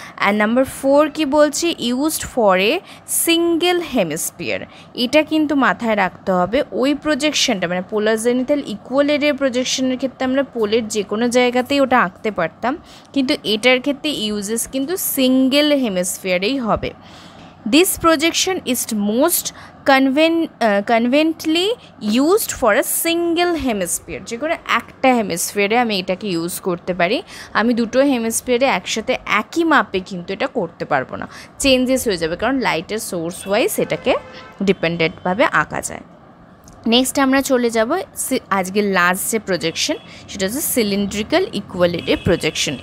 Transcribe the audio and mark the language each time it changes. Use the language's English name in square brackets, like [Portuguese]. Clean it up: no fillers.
[English] and number four [Bangla] কী বলছি, [English] used for a single hemisphere, [Bangla] এটা কিন্তু মাথায় রাখতে হবে। ওই প্রজেকশনটা মানে পোলার জেনিথাল ইকুয়াল এরিয়া প্রজেকশনের ক্ষেত্রে আমরা পোলের যে কোনো জায়গাতেই ওটা আঁকতে পারতাম, কিন্তু এটার ক্ষেত্রে ইউজেস কিন্তু সিঙ্গেল হেমিস্ফিয়ারেই হবে। [English] This projection is most conveniently used for a single hemisphere. [Bangla] যে কোনো একটা হেমিস্ফিয়ারে আমি এটাকে ইউজ করতে পারি, আমি দুটো হেমিস্ফিয়ারে একসাথে একই মাপে কিন্তু এটা করতে পারবো না, চেঞ্জেস হয়ে যাবে, কারণ লাইটের সোর্স ওয়াইজ এটাকে ডিপেন্ডেন্টভাবে আঁকা যায়। নেক্সট আমরা চলে যাবো আজকের লাস্ট যে প্রজেকশন, সেটা হচ্ছে সিলিন্ড্রিক্যাল ইকুয়ালিটি প্রজেকশন।